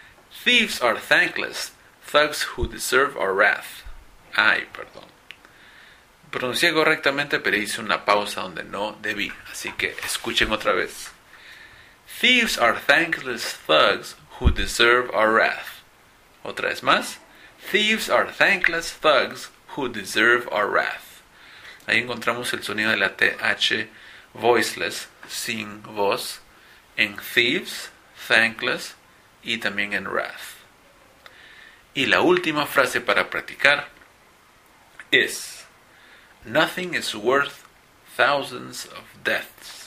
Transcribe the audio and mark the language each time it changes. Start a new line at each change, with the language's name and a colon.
English: Thieves are thankless, thugs who deserve our wrath.
Spanish: Ay, perdón. Pronuncié correctamente, pero hice una pausa donde no debí. Así que escuchen otra vez.
English: Thieves are thankless, thugs who deserve our wrath.
Spanish: Otra vez más.
English: Thieves are thankless, thugs who deserve our wrath.
Spanish: Ahí encontramos el sonido de la TH. Voiceless, sin voz, en thieves, thankless y también en wrath. Y la última frase para practicar es:
English: Nothing is worth thousands of deaths.